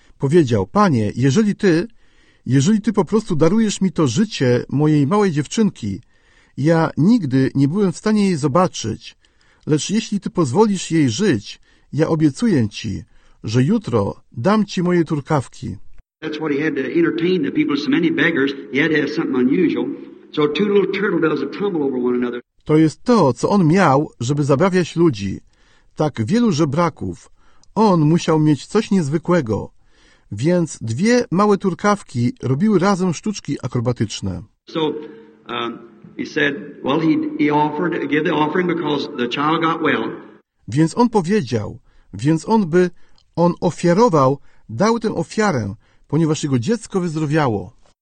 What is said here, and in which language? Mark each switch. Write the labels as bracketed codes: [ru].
[pl] Powiedział, Panie, jeżeli Ty po prostu darujesz mi to życie mojej małej dziewczynki, ja nigdy nie byłem w stanie jej zobaczyć, lecz jeśli Ty pozwolisz jej żyć, ja obiecuję Ci, że jutro dam Ci moje turkawki. [en] That's what he had to entertain the people, so many beggars, he had to have something unusual. So two little turtle doves would tumble over one another. [pl] To jest to, co on miał, żeby zabawiać ludzi. Tak wielu żebraków. On musiał mieć coś niezwykłego. Więc dwie małe turkawki robiły razem sztuczki akrobatyczne. [en] So he said, well, he offered to give the offering because the child got well. [pl] Więc on powiedział, więc on by, on ofiarował, dał tę ofiarę, ponieważ jego dziecko wyzdrowiało.